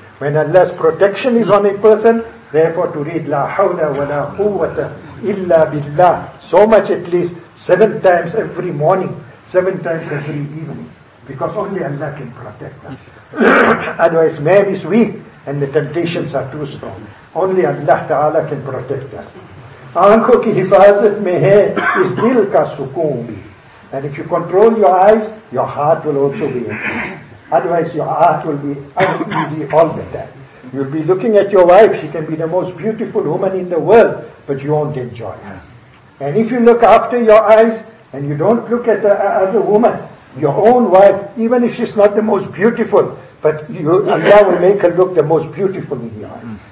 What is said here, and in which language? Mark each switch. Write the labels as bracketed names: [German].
[English] When Allah's protection is on a person, therefore to read [Arabic] la hawla wa la quwwata illa billah, [English] so much at least, 7 times every morning, 7 times every evening. Because only Allah can protect us. Otherwise man is weak and the temptations are too strong. Only Allah Ta'ala can protect us. [Urdu] آنکھوں کی حفاظت میں ہے اس دل کا سکون بھی. [English] And if you control your eyes, your heart will also be at peace. Otherwise, your heart will be uneasy all the time. You'll be looking at your wife, she can be the most beautiful woman in the world, but you won't enjoy her. And if you look after your eyes, and you don't look at the other woman, your own wife, even if she's not the most beautiful, but you, Allah will make her look the most beautiful in your eyes.